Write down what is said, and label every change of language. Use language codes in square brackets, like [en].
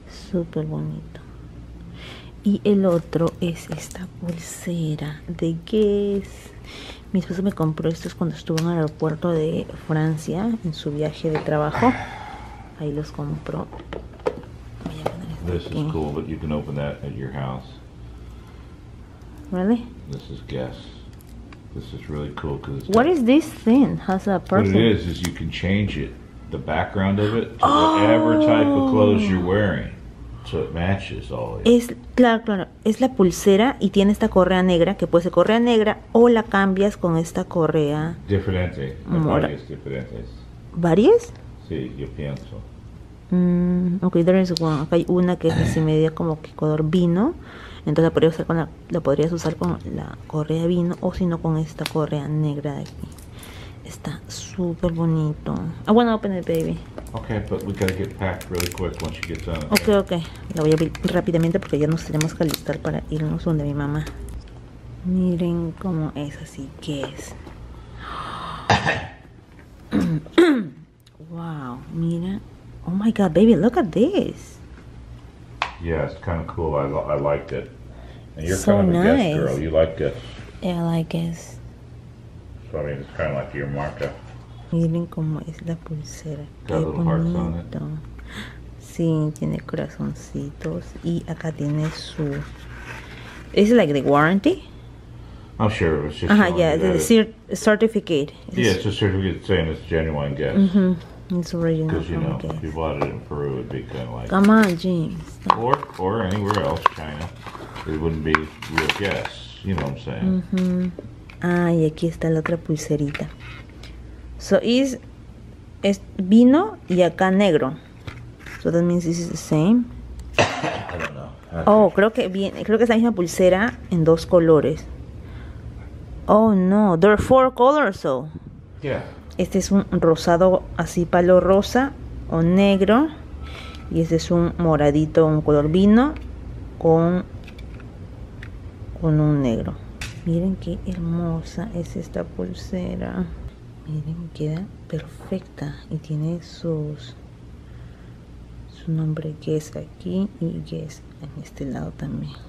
[es] Súper bonito. Y el otro es esta pulsera de Guess. Mi esposo me compró estos cuando estuvo en el aeropuerto de Francia en su viaje de trabajo. Ahí los compró. Voy a poner este. [en] This is cool, but you can open that at your house. ¿Really? This is Guess. This is really cool because what done. Is this thing? How's that perfect? What it is you can change it, the background of it, to whatever type of clothes you're wearing, so it matches all. [es] Es claro, claro. Es la pulsera y tiene esta correa negra que puede ser correa negra o la cambias con esta correa. Diferente. Varias diferentes. ¿Varias? Sí, yo pienso. Okay, there is one. Acá hay una que es así media como que color vino. Entonces la podrías usar con la correa vino o si no con esta correa negra de aquí. Está súper bonito. [en] I wanna open it, baby. Okay, but we gotta get packed really quick once you get done. Okay, okay. [es] La voy a abrir rápidamente porque ya nos tenemos que alistar para irnos donde mi mamá. Miren cómo es así que es. Wow, mira. [en] Oh my God, baby, look at this. Yeah, it's kind of cool. I liked it. And you're so kind of nice. A guest girl. You like this. Yeah, I like this. So, I mean, it's kind of like your marca. [es] Miren cómo es la pulsera. [en] Got little hearts on [es] it. Sí, tiene corazoncitos. Y acá tiene su... [en] Is it like the warranty? I'm sure. It's just Certificate. It's a certificate saying it's a genuine guest. Mm-hmm. It's original. Because, you know, if you bought it in Peru, it'd be kind of like... Come on, James. Or anywhere else, China. It wouldn't be real guests. You know what I'm saying? Mm-hmm. [es] Ah, y aquí está la otra pulserita. [en] So it's [es] vino y acá negro. [en] So that means this is the same. I don't know. [es] Oh, creo que es la misma pulsera en dos colores. [en] Oh no, there are four colors though. Yeah. [es] Este es un rosado así palo rosa o negro. Y este es un moradito, un color vino con un negro. Miren qué hermosa es esta pulsera. Miren, queda perfecta y tiene su nombre que es aquí y que es en este lado también.